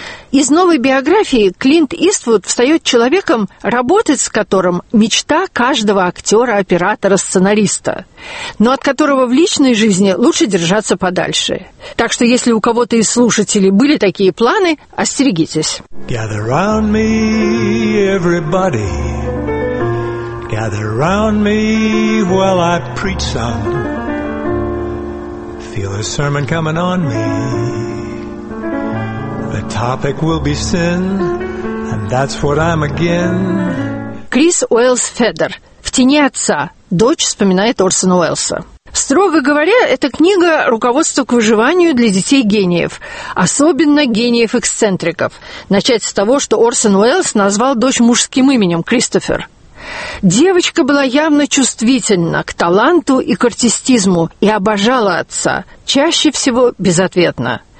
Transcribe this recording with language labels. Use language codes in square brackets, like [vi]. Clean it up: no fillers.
[ru] Из новой биографии Клинт Иствуд встает человеком, работать с которым – мечта каждого актера, оператора, сценариста, но от которого в личной жизни лучше держаться подальше. Так что если у кого-то из слушателей были такие планы, остерегитесь. [en] Gather round me, everybody. Gather round me while I preach some. Feel a sermon coming on me. The topic will be sin, and that's what I'm again. [ru] Крис Уэллс Федер. «В тени отца». Дочь вспоминает Орсона Уэллса. Строго говоря, эта книга – руководство к выживанию для детей-гениев, особенно гениев-эксцентриков. Начать с того, что Орсон Уэллс назвал дочь мужским именем – Кристофер. Девочка была явно чувствительна к таланту и к артистизму и обожала отца, чаще всего безответно.